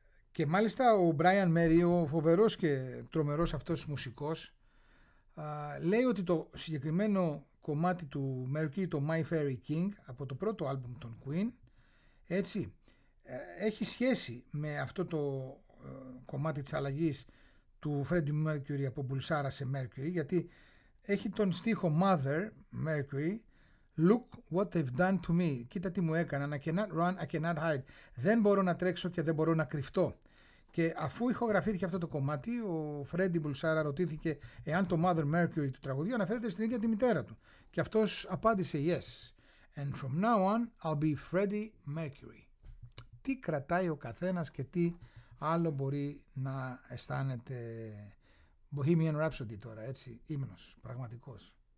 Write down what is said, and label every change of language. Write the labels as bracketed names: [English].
[Greek] Και μάλιστα ο Brian May, ο φοβερός και τρομερός αυτός μουσικός, λέει ότι το συγκεκριμένο κομμάτι του Mercury, το My Fairy King, από το πρώτο άλμπουμ των Queen, έτσι, έχει σχέση με αυτό το κομμάτι της αλλαγής του Freddie Mercury από μπουλσάρα σε Mercury, γιατί έχει τον στίχο Mother Mercury, Look what they've done to me. [English] Κοίτα τι μου έκαναν. I cannot run, I cannot hide. [Greek] Δεν μπορώ να τρέξω και δεν μπορώ να κρυφτώ. Και αφού ηχογραφήθηκε αυτό το κομμάτι, ο Freddie Bulsara ρωτήθηκε εάν το Mother Mercury του τραγουδίου αναφέρεται στην ίδια τη μητέρα του. Και αυτός απάντησε yes. [English] And from now on, I'll be Freddie Mercury. [Greek] Τι κρατάει ο καθένας και τι άλλο μπορεί να αισθάνεται. Bohemian Rhapsody τώρα, έτσι. Ύμνος, πραγματικός.